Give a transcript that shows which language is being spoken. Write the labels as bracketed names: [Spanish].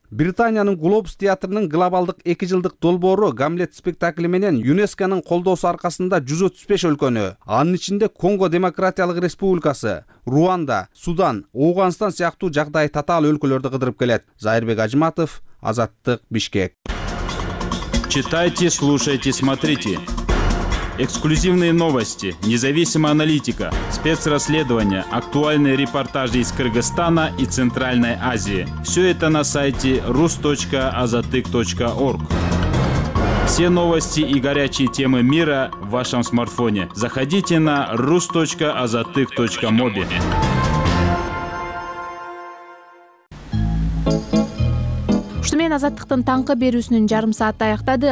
[Kyrgyz] Британиянын Глобус театрынын глобалдык 2 жылдык долбоору Гамлет спектакли менен ЮНЕСКОнун колдоосу аркасында 135 өлкөнү, анын ичинде Конго Демократиялык Республикасы, Руанда, Судан, Ооганстан сыяктуу жагдайы татаал өлкөлөрдү кыдырып келет. Зайырбек Ажматов, Азаттык, Бишкек. [Russian] Читайте, слушайте, смотрите. Эксклюзивные новости, независимая аналитика, спецрасследования, актуальные репортажи из Кыргызстана и Центральной Азии. Все это на сайте rus.azatyk.org. Все новости и горячие темы мира в вашем смартфоне. Заходите на rus.azatyk.mobi. [Kyrgyz] Мен Азаттыктын таңкы берүүсүнүн жарым саатты аяктады.